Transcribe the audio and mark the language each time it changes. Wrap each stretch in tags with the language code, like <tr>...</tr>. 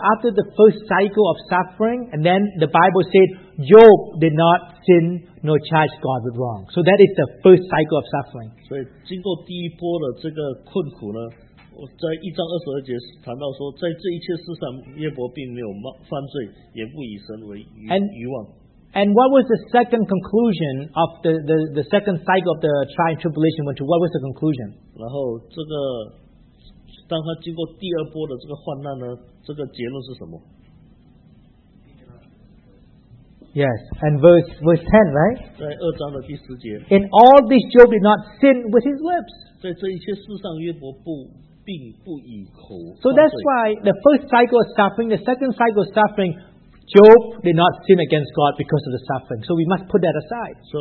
<en>after the first cycle of suffering, and then the Bible said Job did not sin nor charge God with wrong. So that is the first cycle of suffering.</en> <zh>所以经过第一波的这个困苦呢，在一章二十二节谈到说，在这一切事上，约伯并没有犯罪，也不以神为余望。</zh> <en>And what was the second conclusion of the second cycle of the trial and tribulation went to? What was the conclusion?</en> <zh>然后这个，当他经过第二波的这个患难呢，这个结论是什么？</zh> <en>Yes, and verse 10, right?</en> <zh>在二章的第十节,</zh> <en>in all this Job did not sin with his lips.</en> <zh>在这一切事上约伯不以口犯罪。</zh> <en>So that's why the first cycle of suffering, the second cycle of suffering, Job did not sin against God because of the suffering. So we must put that aside.</en>